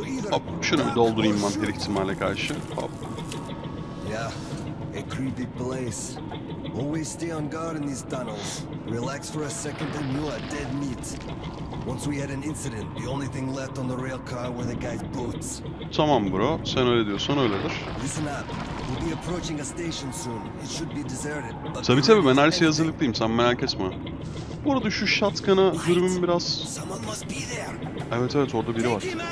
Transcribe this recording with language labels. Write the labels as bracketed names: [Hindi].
[Turkish] Hop, şunu bir doldurayım ben bir ihtimale karşı. [English] Hop. Yeah, a creepy place. Always stay on guard in these tunnels. Relax for a second and you are dead meat. Once we had an incident, the only thing left on the rail car were the guy's boots. [Turkish] Tamam bro, sen öyle diyorsan öyledir. [English] Listen up, we'll be approaching a station soon. It should be deserted. [Turkish] Tabii tabii, ben her şeye hazırlıklıyım, sen merak etme. Bu arada şu shotgun'a durumum biraz... Evet evet, orada biri var.